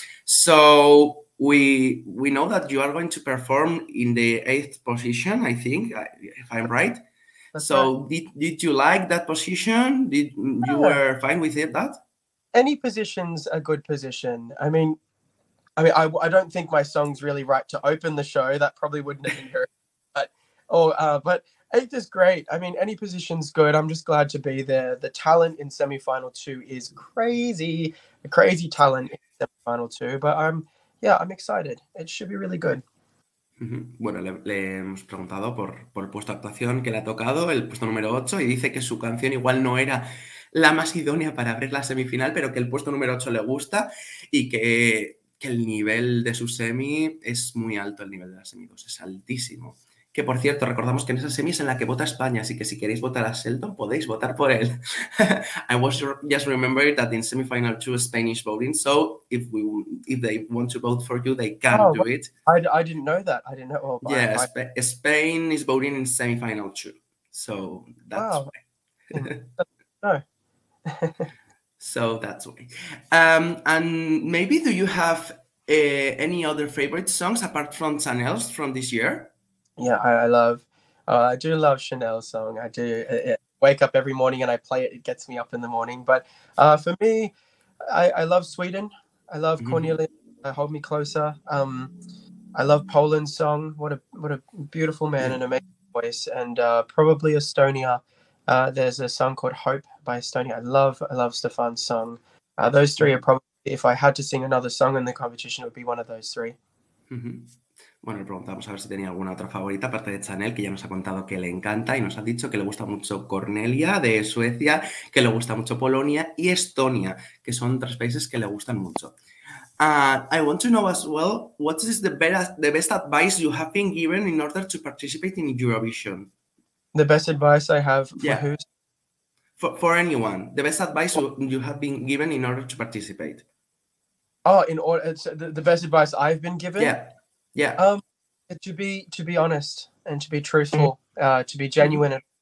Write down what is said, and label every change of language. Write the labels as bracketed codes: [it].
[en] So, we know that you are going to perform in the eighth position, I think, if I'm right. That's right. So, did you like that position? Did you Yeah. were fine with it that? Any position's a good position. I don't think my song's really right to open the show. That probably wouldn't have been very, but eighth is great. I mean, any position's good. I'm just glad to be there. The talent in semi-final two is crazy. A crazy talent in semi-final two. But I'm excited. It should be really good. [es] Bueno, le hemos preguntado por el puesto de actuación que le ha tocado, el puesto número 8, y dice que su canción igual no era la más idónea para abrir la semifinal, pero que el puesto número 8 le gusta y que el nivel de su semi es muy alto, el nivel de la semi 2 es altísimo. Que por cierto, recordamos que en esa semi es en la que vota España, así que si queréis votar a Sheldon, podéis votar por él. [en] I was just remembering that in semifinal 2 Spanish voting, so if they want to vote for you, they can Oh, do it. I didn't know that. I didn't know. Well, Yes, yeah, Sp Spain is voting in semi-final two, so that's wow. No. So that's why. And maybe do you have any other favorite songs apart from Chanel's from this year? Yeah, I do love Chanel's song. I do. I wake up every morning and I play it. It gets me up in the morning. But for me, I love Sweden. I love Cornelia. Hold Me Closer. I love Poland's song. What a beautiful man and amazing voice. And probably Estonia. There's a song called Hope by Estonia. I love Stefan's song. Those three are probably, if I had to sing another song in the competition, it would be one of those three. [es] Bueno, le preguntamos a ver si tenía alguna otra favorita aparte de Chanel, que ya nos ha contado que le encanta y nos ha dicho que le gusta mucho Cornelia de Suecia, que le gusta mucho Polonia y Estonia, que son tres países que le gustan mucho. [en] I want to know as well, what is the best advice you have been given in order to participate in Eurovision? The best advice I have for Yeah. who? For anyone, the best advice you have been given in order to participate. Oh, in order, it's the best advice I've been given. To be honest and to be truthful, to be genuine.